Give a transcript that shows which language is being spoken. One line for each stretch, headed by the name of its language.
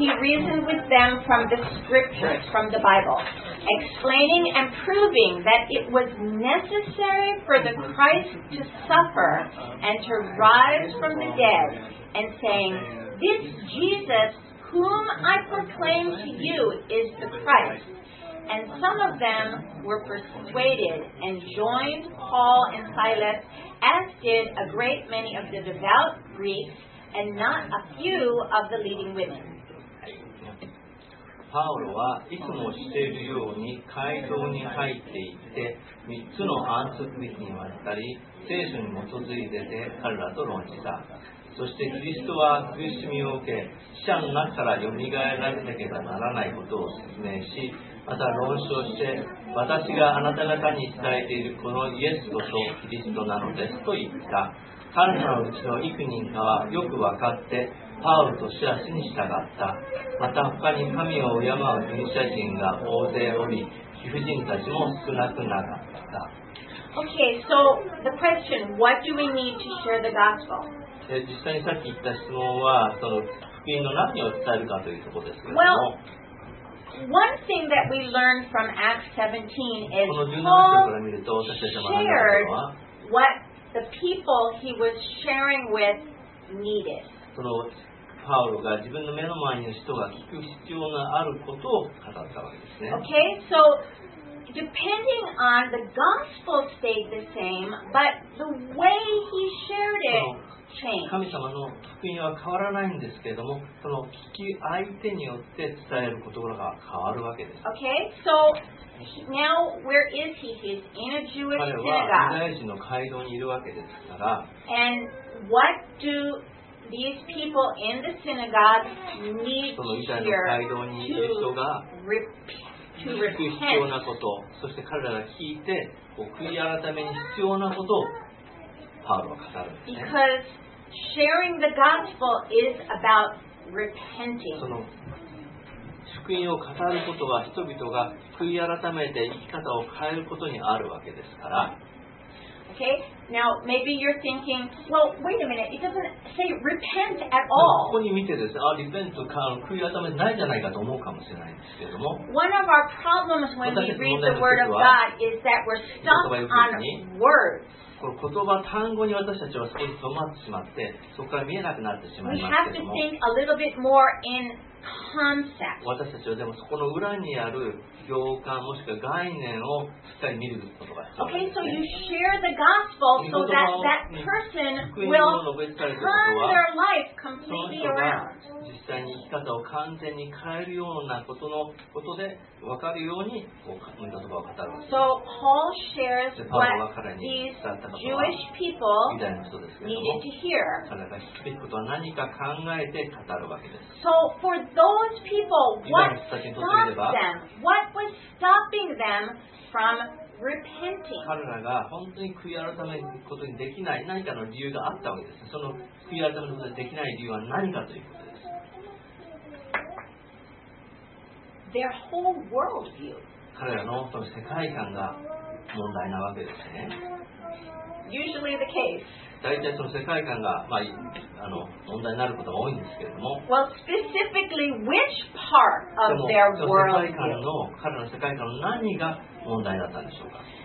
English: he reasoned with them from the scriptures, from the Bible, explaining and proving that it was necessary for the Christ to suffer and to rise from the dead, and saying, "This Jesus, whom I proclaim to you, is the Christ." And some of them were persuaded and joined Paul and Silas, as did a great many of the devout Greeks and not a few of the leading women.
Japanese: パウロはいつもしているように会堂に入っていって、3つの安息日に渡り、聖書に基づいてて彼らと論じた。そしてキリストは苦しみを受け、死者の中からよみがえられなければならないことを説明し、また論証して、私があなた方に伝えているこのイエスこそキリストなのですと言った。彼らのうちの幾人かはよく分かって、パウロとシラスに従った。また他に神を敬うギリシャ人が大勢おり、貴婦人たちも少なくなかった。
English: Okay, so the question, what do we need to share the gospel?
Japanese: 実際にさっき言った質問は、その福音の何を伝えるかというところですけども。
English: Well, one thing that we learn from Acts 17 is Paul shared what the people he was sharing with needed.
Japanese: そのパウロが自分の目の前にいる人が聞く必要があることを語ったわけですね。
English: Okay, so depending on the gospel stayed the same, but the way he shared it.
Japanese: 神様の福音は変わらないんですけれども、その聞き相手によって伝えることが変わるわけです。
English: Okay, so now where is he? He's in a Jewish synagogue.
Japanese: 彼はユダヤ人の会堂にいるわけですから。
English: And what do these people in the synagogue need to hear to repent?
Japanese: 聞く必要なこと、そして彼らが聞いて悔い改めに必要なことを。
English: Because sharing the gospel is about repenting.
Japanese: その福音を語ることは人々が悔い改めて生き方を変えることにあるわけですから。
English: Okay, now maybe you're thinking, well, wait a minute, it doesn't say repent at all.
Japanese: ここに見てですね、リペント、悔い改めないじゃないかと思うかもしれないんですけれども。
English: One of our problems when we read the word of God is that we're stuck on words.
Japanese: この言葉単語に私たちは少し止まってしまって、そこから見えなくなってしまいますけれども、私たちはでもそこの裏にある行間もしくは概念をしっかり見ることが必要です、ね。
English: Okay, so you share the gospel so that that person will turn their life completely around.
Japanese: 実際に生き方を完全に変えるようなことのことで分かるようにこう言葉を語るんです。
English: So Paul shares what these Jewish people needed to hear.
Japanese: 彼が聞くべきことは何か考えて語るわけです。
English: So for those people, what stopped them? What was stopping them from repenting?
Japanese: 彼らが本当に悔い改めることにできない何かの理由があったわけです。その悔い改めることにできない理由は何かということです。
English: Their whole world view.
Japanese: 彼らの世界観が問題なわけですね。
English: Usually the case.
Japanese: 大体その世界観が、まあ、問題になることが多いんですけれども。
English: Well, specifically which part of their world view?
Japanese: 世界観の彼の世界観の何が問題だったんでしょうか。